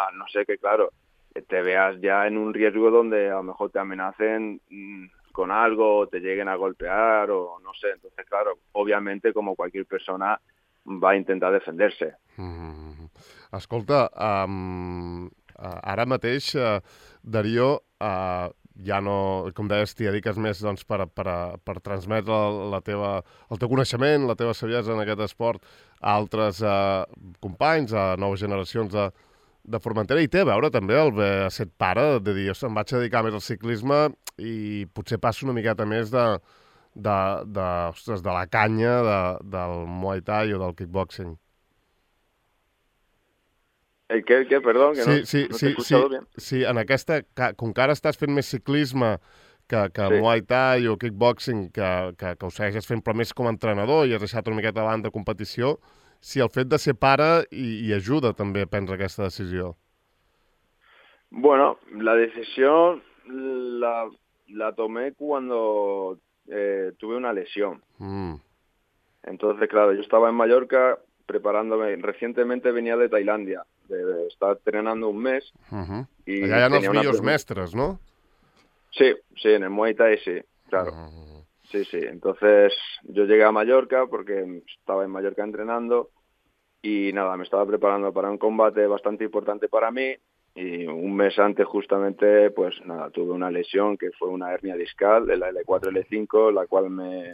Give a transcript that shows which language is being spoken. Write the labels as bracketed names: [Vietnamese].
[Spanish] A no ser que, claro, te veas ya en un riesgo donde a lo mejor te amenacen con algo, o te lleguen a golpear o no sé. Entonces, claro, obviamente como cualquier persona va a intentar defenderse. [Catalan] Escolta, ara mateix, Darío, ja no, com deies, t'hi dediques més doncs, per transmetre el teu coneixement, la teva saviesa en aquest esport a altres companys, a noves generacions de Formentera, i té a veure també el ser pare, de dir, em vaig dedicar més al ciclisme i potser passo una miqueta més de la canya, del Muay Thai o del kickboxing. El què, perdó, que sí, no, sí, no t'he sí, escoltat sí, bé. Sí, en aquesta, com que ara estàs fent més ciclisme que sí. Muay Thai o kickboxing, que ho segueixes fent, però més com a entrenador i has deixat una miqueta davant de competició, si el fet de ser pare i ajuda també a prendre aquesta decisió. [Spanish] Bueno, la decisió la tomé cuando tuve una lesión. Entonces, claro, yo estaba en Mallorca preparándome. Recientemente venía de Tailandia, de estar entrenando un mes. [Catalan] Uh-huh. Y allà hi ha els millors mestres, no? [Spanish] Sí, sí, en el Muay Thai, sí, claro. Uh-huh. Sí, sí, entonces yo llegué a Mallorca porque estaba en Mallorca entrenando y nada, me estaba preparando para un combate bastante importante para mí Y un mes antes, justamente, pues nada, tuve una lesión que fue una hernia discal de la L4, L5, la cual me